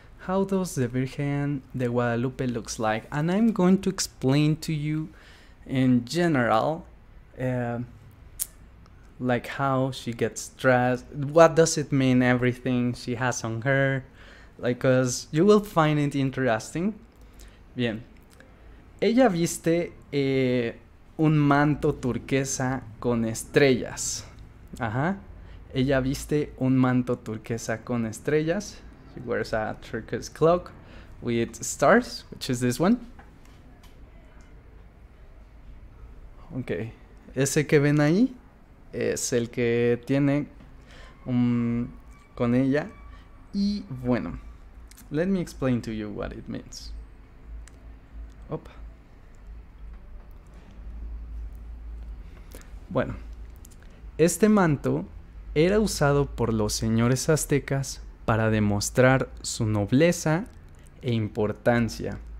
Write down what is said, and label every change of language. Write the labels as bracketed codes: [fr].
[en] How does the Virgen de Guadalupe looks like? And I'm going to explain to you in general, like how she gets dressed, what does it mean, everything she has on her, like, because you will find it interesting. [es] Bien, ella viste un manto turquesa con estrellas. Ajá. Ella viste un manto turquesa con estrellas. [en] She wears a turquoise cloak with stars, which is this one. Ok. [es] Ese que ven ahí es el que tiene con ella. Y bueno, [en] let me explain to you what it means. Opa. [es] Bueno, este manto era usado por los señores aztecas para demostrar su nobleza e importancia.